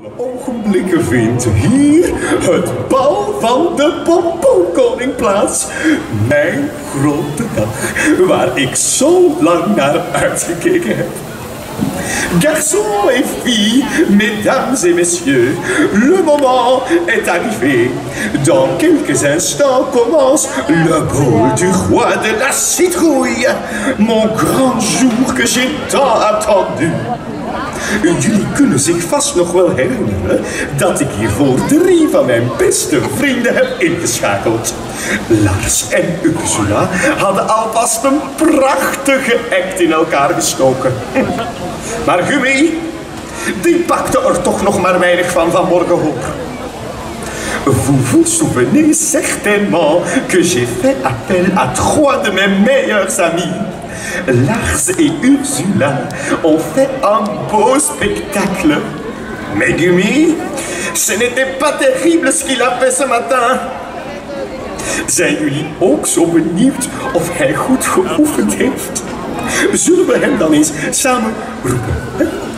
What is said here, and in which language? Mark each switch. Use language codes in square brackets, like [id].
[nl] Ogenblikken vindt hier het bal van de pompoenkoning plaats. Mijn grote dag, waar ik zo lang naar uitgekeken heb. [fr] Garçon et fille, mesdames et messieurs, le moment est arrivé. Dans quelques instants commence le bal du roi de la citrouille. Mon grand jour que j'ai tant attendu. [nl] Jullie kunnen zich vast nog wel herinneren dat ik hiervoor 3 van mijn beste vrienden heb ingeschakeld. Lars en Ursula hadden alvast een prachtige act in elkaar gestoken. Maar Gummy, die pakte er toch nog maar weinig van morgen op. [fr] Vous vous souvenez certainement que j'ai fait appel à 3 de mes meilleurs amis. Lars et Ursula ont fait un beau spectacle. Mais Gummy, ce n'était pas terrible ce qu'il a fait ce matin. [nl] Zijn jullie ook zo benieuwd of hij goed geoefend heeft? Zullen we hem dan eens samen roepen?